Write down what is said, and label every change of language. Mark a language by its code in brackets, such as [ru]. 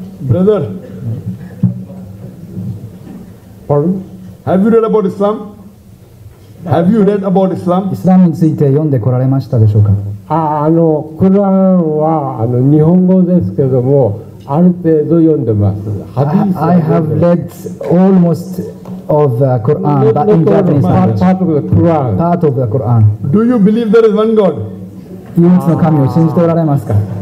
[en] Pardon? Have you read about Islam? Have you read about Islam? [ja] Islam について読んでこられましたでしょうか? あの、コランは日本語ですけども、ある程度読んでます。 [en] I have read almost of the Quran, but in Japanese language. Part of the Quran. Part of the Quran. Do you believe there is one God? [ja] 唯一の神を信じておられますか?